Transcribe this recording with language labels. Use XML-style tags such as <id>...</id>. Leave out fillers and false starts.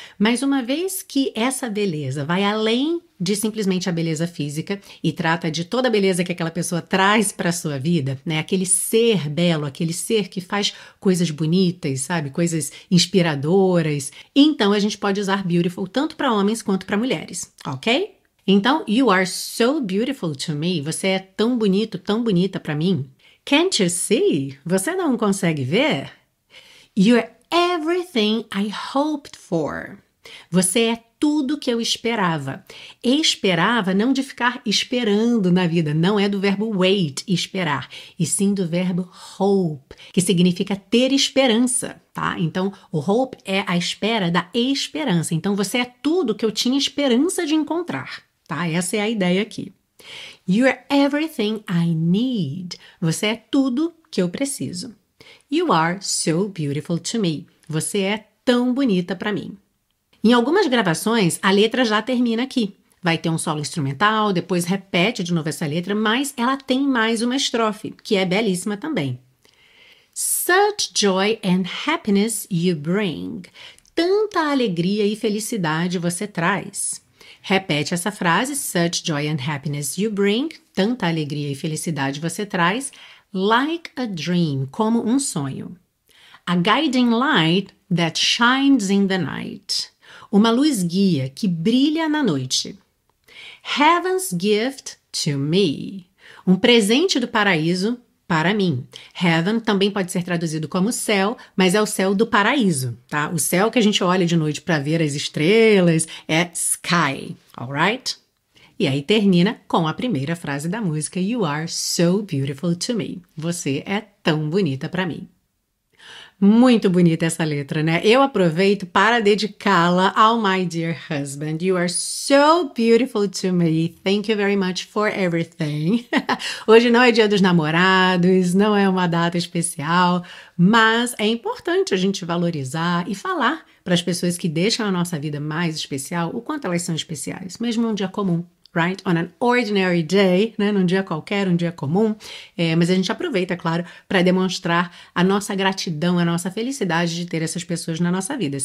<pt>Mas uma vez que essa beleza vai além de simplesmente a beleza física e trata de toda a beleza que aquela pessoa traz para a sua vida, né? Aquele ser belo, aquele ser que faz coisas bonitas, sabe? Coisas inspiradoras. Então, a gente pode usar beautiful tanto para homens quanto para mulheres, ok? Então,</pt> <en>you are so beautiful to me.</en> <pt>Você é tão bonito, tão bonita para mim.</pt> <en>Can't you see?</en> <pt>Você não consegue ver?</pt> <en>You're everything I hoped for.</en> <pt>Você é tudo que eu esperava. Esperava não de ficar esperando na vida, não é do verbo wait, esperar, e sim do verbo hope, que significa ter esperança, tá? Então, o hope é a espera da esperança. Então, você é tudo que eu tinha esperança de encontrar, tá? Essa é a ideia aqui.</pt> <en>You are everything I need.</en> <pt>Você é tudo que eu preciso.</pt> <en>You are so beautiful to me.</en> <pt>Você é tão bonita para mim. Em algumas gravações, a letra já termina aqui. Vai ter um solo instrumental, depois repete de novo essa letra, mas ela tem mais uma estrofe, que é belíssima também.</pt> <en>Such joy and happiness you bring.</en> <pt>Tanta alegria e felicidade você traz. Repete essa frase,</pt> <en>such joy and happiness you bring.</en> <pt>Tanta alegria e felicidade você traz.</pt> <en>Like a dream,</en> <pt>como um sonho.</pt> <en>A guiding light that shines in the night.</en> <pt>Uma luz guia que brilha na noite.</pt> <en>Heaven's gift to me.</en> <pt>Um presente do paraíso para mim. Heaven também pode ser traduzido como céu, mas é o céu do paraíso, tá? O céu que a gente olha de noite para ver as estrelas é sky, alright? E aí termina com a primeira frase da música,</pt> <en>You are so beautiful to me.</en> <pt>Você é tão bonita para mim. Muito bonita essa letra, né? Eu aproveito para dedicá-la ao</pt> <en>my dear husband. You are so beautiful to me. Thank you very much for everything.</en> <pt>Hoje não é dia dos namorados, não é uma data especial, mas é importante a gente valorizar e falar para as pessoas que deixam a nossa vida mais especial o quanto elas são especiais, mesmo num dia comum. Right?</pt> <en>On an ordinary day,</en> <pt>né? Num dia qualquer, um dia comum, mas a gente aproveita, claro, para demonstrar a nossa gratidão, a nossa felicidade de ter essas pessoas na nossa vida.</pt>